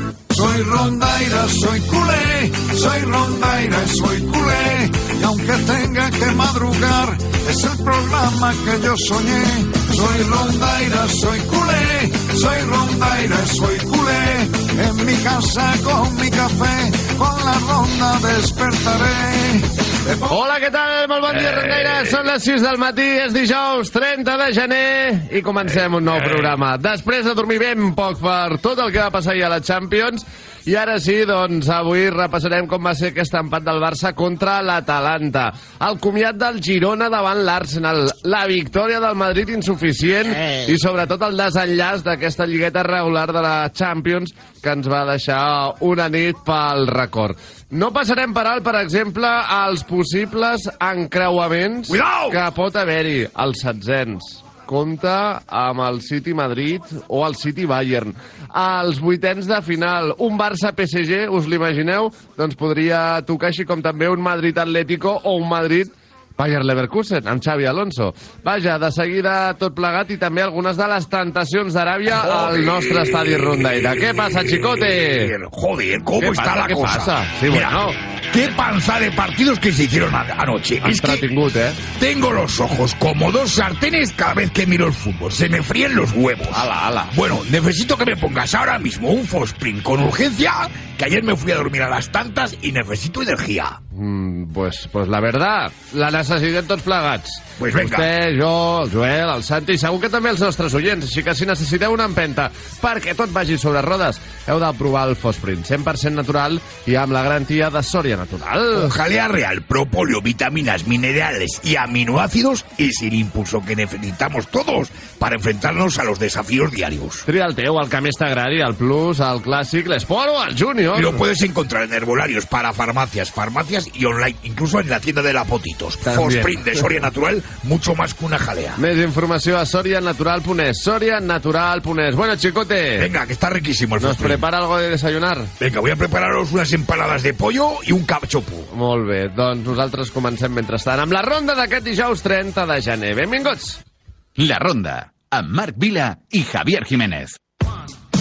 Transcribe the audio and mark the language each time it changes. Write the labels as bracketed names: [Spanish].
[Spanish] Soy rondaira, soy culé, soy rondaira, soy culé, y aunque tenga que madrugar, es el programa que yo soñé. Soy rondaira, soy culé, soy rondaira, soy culé, en mi casa con mi café, con la ronda despertaré. [Catalan] Hola, què tal? Molt bon dia, rondaire. Són les 6 del matí, és dijous 30 de gener i comencem un nou programa. Després de dormir ben poc per tot el que va passar ahir a la Champions, i ara sí, doncs, avui repassarem com va ser aquest empat del Barça contra l'Atalanta, el comiat del Girona davant l'Arsenal, la victòria del Madrid insuficient i sobretot el desenllaç d'aquesta lligueta regular de la Champions que ens va deixar una nit pel record. No passarem per alt, per exemple, als possibles encreuaments que pot haver-hi als setzens. Compta amb el City-Madrid o el City-Bayern. Als vuitens de final, un Barça-PSG, us l'imagineu? Doncs podria tocar així com també un Madrid-Atlético o un Madrid Bayern Leverkusen, amb Xavi Alonso. Vaja, de seguida tot plegat i també algunes de les tentacions d'Aràbia al nostre estadi rondaire. Què passa, Xicote? [Spanish] Joder, ¿cómo está la cosa? ¿Qué pasa? Sí, bueno. Mira, ¿qué panza de partidos que se hicieron anoche? [Catalan] Es entretingut, ¿eh? [Spanish] Tengo los ojos como dos sartenes cada vez que miro el fútbol. Se me fríen los huevos. Ala, ala. Bueno, necesito que me pongas ahora mismo un Fosprin con urgencia, que ayer me fui a dormir a las tantas y necesito energía. Pues la verdad, [Catalan] la necessitem tots plegats. [Spanish] Pues venga. [Catalan] Vostè, jo, el Joel, el Santi i segur que també els nostres oients. Així que si necessiteu una empenta perquè tot vagi sobre rodes, heu de provar el Fosprin 100% natural i amb la garantia de Sòria Natural. [Spanish] Jalea real, propóleo, vitaminas, minerales y aminoácidos es el impulso que necesitamos todos para enfrentarnos a los desafíos diarios. [Catalan] Tria el teu, el que més t'agradi, el Plus, el Clàssic, l'Esport o el Junior. [Spanish] Lo puedes encontrar en herbolarios, para farmacias, farmacias y online, incluso en la tienda de la Potitos. Fosprin de Sòria Natural, mucho más que una jalea. [Catalan] Més informació a sorianatural.es. [Spanish] Sorianatural.es. Bueno, Xicote, venga, que está riquísimo el Fosprin. ¿Nos prepara algo de desayunar? Venga, voy a prepararos unas empanadas de pollo y un capchopo. [Catalan] Molt bé, doncs nosaltres comencem mentrestant amb la ronda d'aquest dijous 30 de gener. Benvinguts. La Ronda, amb Marc Vila i Javier Jiménez. [English] We'll be right back.